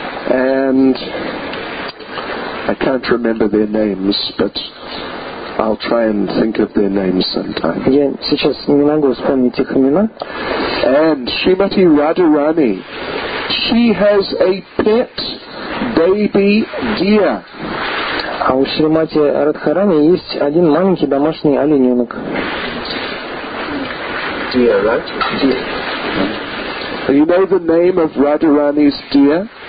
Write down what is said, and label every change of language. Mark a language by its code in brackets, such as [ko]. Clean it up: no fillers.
[en] And I can't remember their names, but I'll try and think of their names sometime. [ru] Я сейчас не могу вспомнить их имена. [en] And Srimati Radharani, she has a pet baby deer. [ru] А у Шримати Радхарани есть один маленький домашний олененок. [en] Deer, right? Deer. You know the name of Radharani's deer?